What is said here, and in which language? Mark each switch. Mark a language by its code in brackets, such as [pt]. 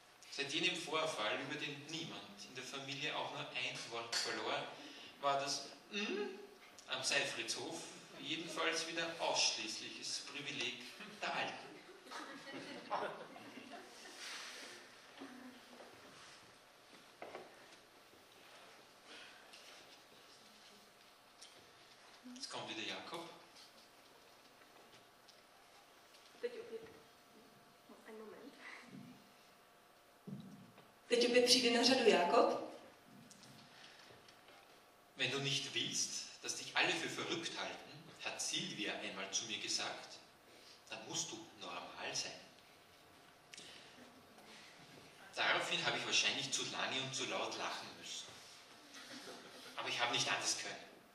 [de] Seit jenem Vorfall, über den niemand in der Familie auch nur ein Wort verlor, war das am Seifritzhof jedenfalls wieder ausschließliches Privileg der Alten. Jetzt kommt wieder Jakob. [cs] Teď opět přijde na řadu Jakob. [de] Wenn du nicht willst, dass dich alle für verrückt halten, hat Silvia einmal zu mir gesagt, dann musst du normal sein. Daraufhin habe ich wahrscheinlich zu lange und zu laut lachen müssen. Aber ich habe nicht anders können.